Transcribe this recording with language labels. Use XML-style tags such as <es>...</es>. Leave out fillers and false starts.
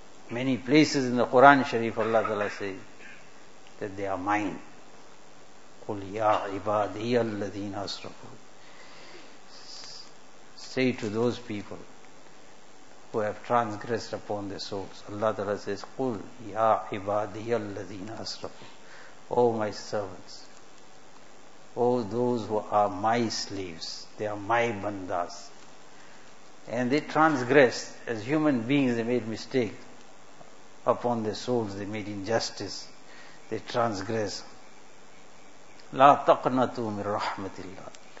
<en>Many places in the Quran Sharif, Allah Ta'ala says that they are mine.</en> <ar>قُلْ يَا عِبَادِيَ الَّذِينَ أَسْرَفُوا.</ar> <en>Say to those people who have transgressed upon their souls. Allah Ta'ala says,</en> <ar>قُلْ يَا عِبَادِيَ الَّذِينَ أَسْرَفُوا.</ar> <en>O my servants, O those who are my slaves, they are my bandas. And they transgressed. As human beings, they made mistake upon their souls. They made injustice. They transgress.</en> <ar>لَا تَقْنَتُوا مِنْ رَحْمَةِ اللَّهِ.</ar>